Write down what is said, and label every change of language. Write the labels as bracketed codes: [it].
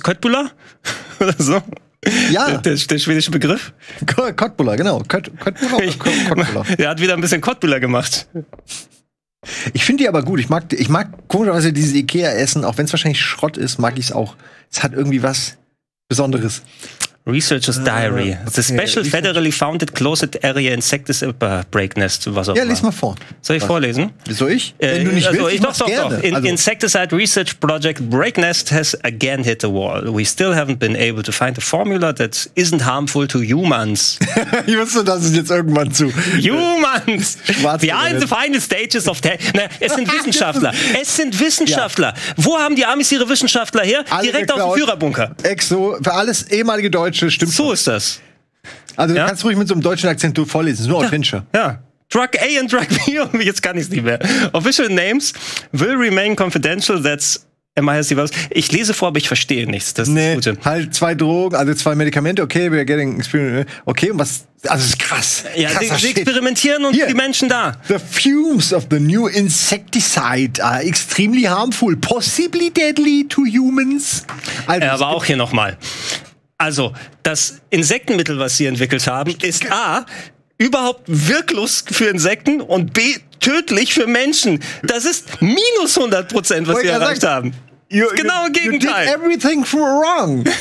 [de] Köttbula? Oder so? Ja. Der schwedische Begriff? Kottbüller, genau. Der hat wieder ein bisschen Kottbüller gemacht. Ich finde die aber gut. Ich mag komischerweise dieses Ikea-Essen, auch wenn es wahrscheinlich Schrott ist, mag ich es auch. Es hat irgendwie was Besonderes. [en] Researcher's Diary. Okay. The special federally founded closed area insecticide break nest. [de] Was auch ja, lies mal vor. Soll ich vorlesen? Soll ich? Wenn du nicht willst, also, ich mach's doch. Also. [en] Insecticide research project break nest has again hit the wall. We still haven't been able to find a formula that isn't harmful to humans. [de] Ich wusste, dass es jetzt irgendwann zu. [en] Humans! We are in the final stages of tech. [de] Ne, es sind Wissenschaftler. Es sind Wissenschaftler. Ja. Wo haben die Amis ihre Wissenschaftler her? Alle direkt aus dem Führerbunker. Exo, für alles ehemalige Deutsche. Stimmt so ist das. Also ja? Du kannst ruhig mit so einem deutschen Akzent du vorlesen, nur [en] Adventure. [de] Ja. [en] Drug A and Drug B, [de] jetzt kann ich es nicht mehr. [en] Official names will remain confidential, that's [de] Ich lese vor, aber ich verstehe nichts. Das ist das Gute. Halt zwei Drogen, also zwei Medikamente, okay, [en] we're getting experience. [de] Okay, und was. Also, das ist krass. Ja, sie experimentieren und die Menschen da. [en] The fumes of the new insecticide are extremely harmful, possibly deadly to humans. [de] Also, aber auch hier nochmal. Also, das Insektenmittel, was sie entwickelt haben, ist A, überhaupt wirklos für Insekten und B, tödlich für Menschen. Das ist minus 100%, was wir erreicht haben. Das genaue Gegenteil. [en] You did everything wrong.